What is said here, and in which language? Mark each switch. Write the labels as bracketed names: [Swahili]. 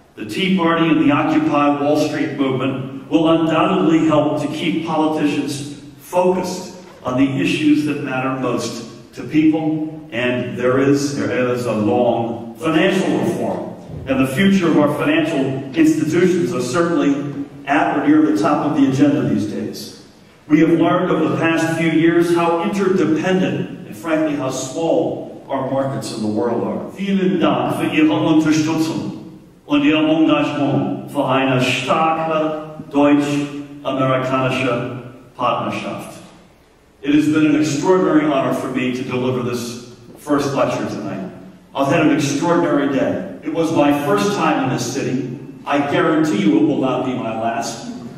[English] The Tea Party and the Occupy Wall Street movement will undoubtedly help to keep politicians focused on the issues that matter most to people, and there is a long financial reform. And the future of our financial institutions are certainly at or near the top of the agenda these days. We have learned over the past few years how interdependent and frankly how small our markets in the world are. [German] Vielen Dank für Ihre Unterstützung und Ihr Engagement für eine starke deutsch-amerikanische Partnerschaft. [English] It has been an extraordinary honor for me to deliver this first lecture tonight. I've had an extraordinary day. It was my first time in this city. I guarantee you it will not be my last.